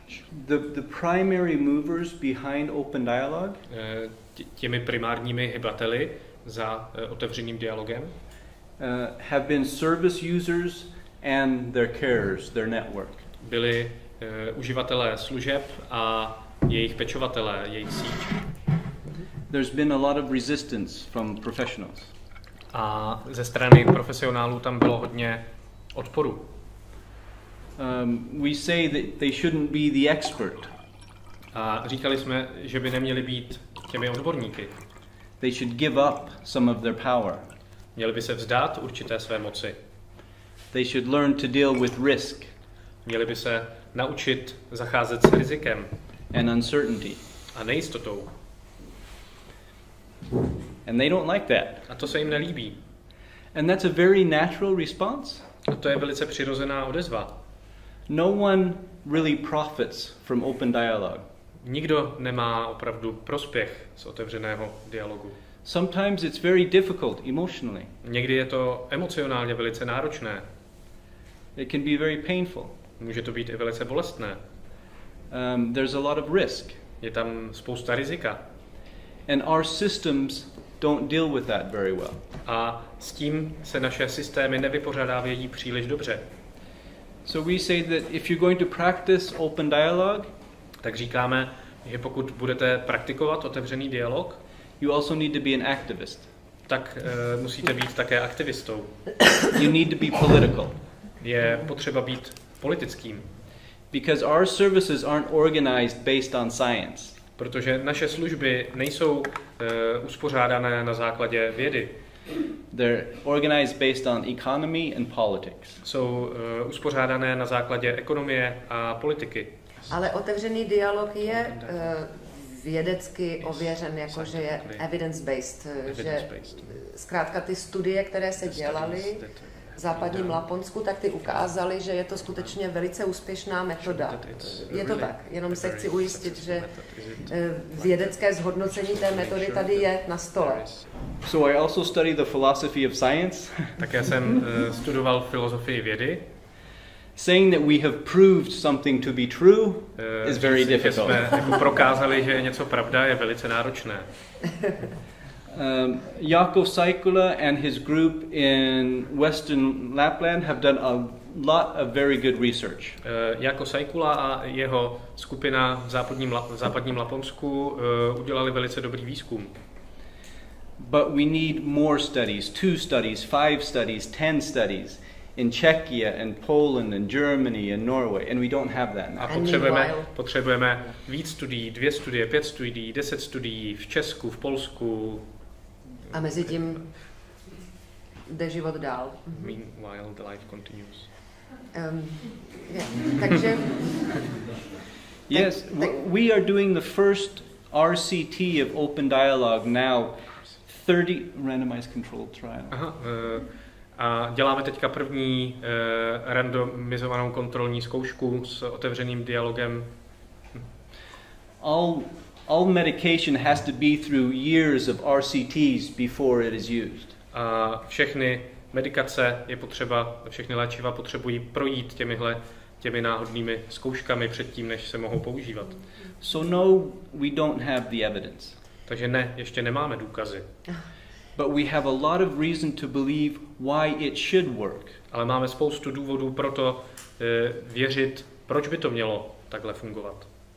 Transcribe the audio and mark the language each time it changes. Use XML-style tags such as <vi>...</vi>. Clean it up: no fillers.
<en>The primary movers behind open dialogue.</en> <cs>Těmi primárními hybateli za otevřeným dialogem.</cs> <en>Have been service users and their carers, their network.</en> <cs>Byli uživatelé služeb a jejich pečovatelé, jejich síť.</cs> <en>There's been a lot of resistance from professionals.</en> <cs>A ze strany profesionálů tam bylo hodně odporu.</cs> <en>We say that they shouldn't be the expert.</en> <cs>A říkali jsme, že by neměli být těmi odborníky.</cs> <en>They should give up some of their power.</en> <cs>Měli by se vzdát určité své moci.</cs> <en>They should learn to deal with risk.</en> <cs>Měli by se naučit zacházet s rizikem.</cs> <en>And uncertainty.</en> <cs>A nejistotou.</cs> <en>And they don't like that.</en> <cs>A to se jim nelíbí.</cs> <en>And that's a very natural response.</en> <cs>A to je velice přirozená odezva.</cs> <en>No one really profits from open dialogue.</en> <cs>Nikdo nemá opravdu prospěch z otevřeného dialogu.</cs> <en>Sometimes it's very difficult emotionally.</en> <cs>Někdy je to emocionálně velice náročné.</cs> <en>It can be very painful.</en> <cs>Může to být i velice bolestné.</cs> <en>There's a lot of risk.</en> <cs>Je tam spousta rizika.</cs> <en>And our systems don't deal with that very well.</en> <cs>A s tím se naše systémy nevypořádávají příliš dobře.</cs> <en>So we say that if you're going to practice open dialogue,</en> <cs>tak říkáme, že pokud budete praktikovat otevřený dialog,</cs> <en>you also need to be an activist.</en> <cs>Tak musíte být také aktivistou.</cs> <en>You need to be political.</en> <cs>Je potřeba být politickým.</cs> <en>Because our services aren't organized based on science.</en> <cs>Protože naše služby nejsou uspořádané na základě vědy.</cs> <en>They're organized based on economy and politics.</en> <cs>Jsou uspořádané na základě ekonomie a politiky. Ale otevřený dialog je vědecky ověřen, jakože je evidence-based.</cs> <en>Evidence-based.</en> <cs>Že zkrátka ty studie, které se dělaly v západním Laponsku, tak ty ukázaly, že je to skutečně velice úspěšná metoda. Je to tak, jenom se chci ujistit, že vědecké zhodnocení té metody tady je na stole.</cs> <en>So I also study the philosophy of science.</en> <cs>Tak já jsem studoval filozofii vědy.</cs> <en>Saying that we have proved something to be true is very difficult.</en> <cs>Že jsme jako prokázali, že je něco pravda, je velice náročné.</cs> <en>Jakob Seikula and his group in Western Lapland have done a lot of very good research.</en> <cs>Jakob Seikula a jeho skupina v západním Laponsku udělali velice dobrý výzkum.</cs> <en>But we need more studies, 2 studies, 5 studies, 10 studies. In Czechia and Poland and Germany and Norway, and we don't have that.</en> <cs>A potřebujeme víc studií, 2 studie, 5 studií, 10 studií v Česku, v Polsku. A mezi tím jde život dál.</cs> <en>Meanwhile, the life continues.</en> <cs>Takže.</cs> <en>Yes, we are doing the first RCT of open dialogue now. 30 randomized controlled trial.</en> <cs>A děláme teďka první randomizovanou kontrolní zkoušku s otevřeným dialogem.</cs> <en>All medication has to be through years of RCTs before it is used.</en> <cs>A všechny medikace je potřeba, všechny léčiva potřebují projít těmi náhodnými zkouškami předtím, než se mohou používat.</cs> <en>So no, we don't have the evidence.</en> <cs>Takže ne, ještě nemáme důkazy.</cs> <en>But we have a lot of reason to believe why it should work.</en> <cs>Ale máme spoustu důvodů pro to věřit, proč by to mělo takhle fungovat.</cs>